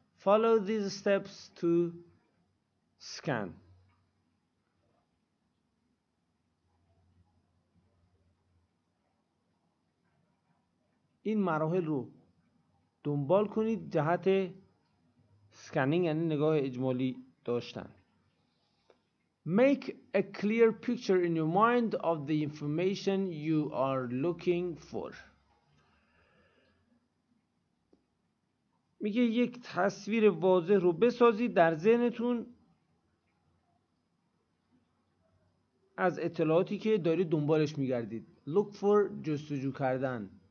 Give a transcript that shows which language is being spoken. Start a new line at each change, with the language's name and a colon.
English: Follow these steps to scan.
Persian: این مراحل رو دنبال کنید جهت scanning، یعنی نگاه اجمالی داشتن.
English: Make a clear picture in your mind of the information you are looking for.
Persian: میگه یک تصویر واضح رو بسازید در ذهنتون از اطلاعاتی که دارید دنبالش میگردید. Look for، جستجو کردن.